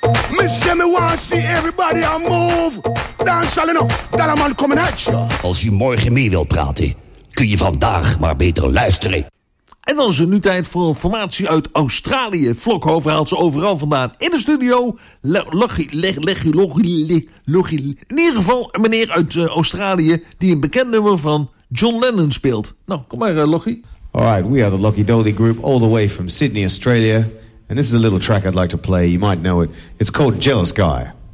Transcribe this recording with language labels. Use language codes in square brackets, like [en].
[en] Miss Jimmy wants to see everybody on move. [nl] Dansen nog. Daar een man [en] coming at you. [nl] Als u morgen mee wilt praten, kun je vandaag maar beter luisteren. En dan is het nu tijd voor een formatie uit Australië. Vlokhoven haalt ze overal vandaan in de studio. In ieder geval een meneer uit Australië die een bekend nummer van John Lennon speelt. Nou, kom maar, Loggie. [en] All right, we are the Loggie Dolly Group all the way from Sydney, Australia. And this is a little track I'd like to play. You might know it. It's called Jealous Guy.